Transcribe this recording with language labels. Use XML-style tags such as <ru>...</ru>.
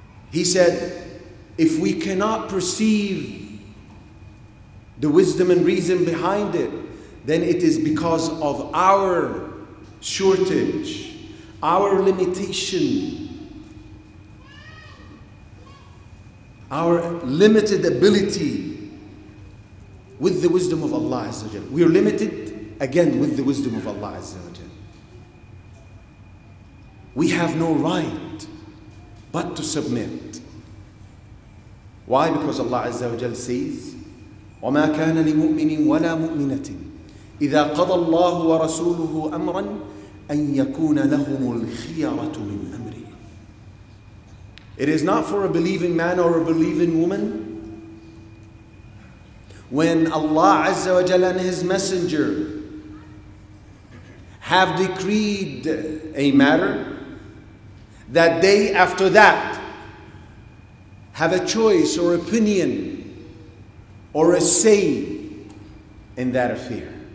<en>He said, if we cannot perceive the wisdom and reason behind it, then it is because of our shortage, our limitation, our limited ability with the wisdom of Allah Azza wa Jal. We are limited again with the wisdom of Allah Azza wa Jal. We have no right but to submit. Why? Because Allah Azza wa Jal says,</en> <ar>وَمَا كَانَ لِمُؤْمِنٍ وَلَا مُؤْمِنَةٍ إِذَا قَضَى اللَّهُ وَرَسُولُهُ أَمْرًا أَنْ يَكُونَ لَهُمُ الْخِيَرَةُ مِنْ أَمْرِهِ.</ar> <en>It is not for a believing man or a believing woman when Allah Azza wa Jalla and His Messenger have decreed a matter that they after that have a choice or opinion or a say in that affair.</en>